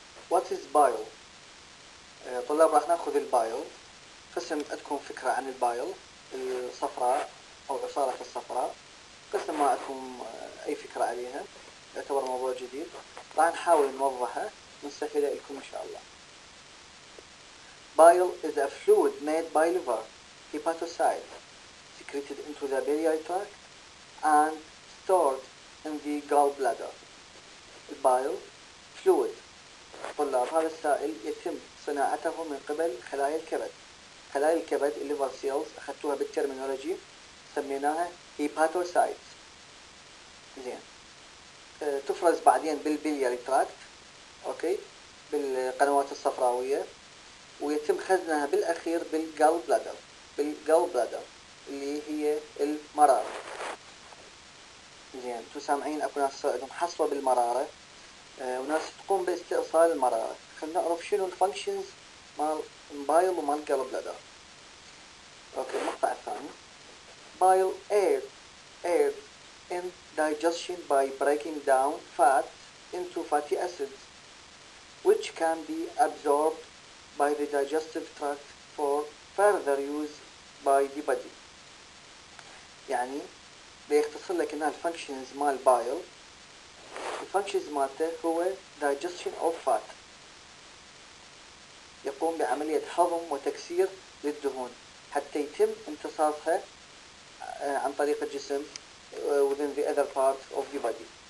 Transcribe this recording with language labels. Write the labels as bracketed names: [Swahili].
[English] What is bile؟ [Arabic] طلاب راح ناخذ البايل قسم، عندكم فكره عن البايل الصفراء او عصاره الصفراء، قسم ما عندكم اي فكره عليها، يعتبر موضوع جديد راح نحاول نوضحه مستحيلة لكم إن شاء الله. [English] Bile is a fluid made by liver hepatocyte secreted into the biliary tract and stored in the gallbladder. Bile fluid، [Arabic] طلاب هذا السائل يتم صناعته من قبل خلايا الكبد. خلايا الكبد [English] liver cells [Arabic] أخذتوها بالترمينولوجي سميناها hepatocytes. زين تفرز بعدين بالبيليري تراكت، اوكي بالقنوات الصفراوية، ويتم خزنها بالاخير بالجالبلادر اللي هي المرارة. زين انتو سامعين اكو ناس عندهم حصوة بالمرارة وناس تقوم باستئصال المرارة، خلنا نعرف شنو الفانكشنز مال بايل ومال جالبلادر. اوكي المقطع الثاني، [English] Bile aid in digestion by breaking down fat into fatty acids which can be absorbed by the digestive tract for further use by the body. [Arabic] يعني بيختصر لك ان الفانكشنز مال بايل، الفانكشنز مالته هو [English] digestion of fat، [Arabic] يقوم بعملية هضم وتكسير للدهون حتى يتم امتصاصها عن طريق الجسم [English] within the other part of the body.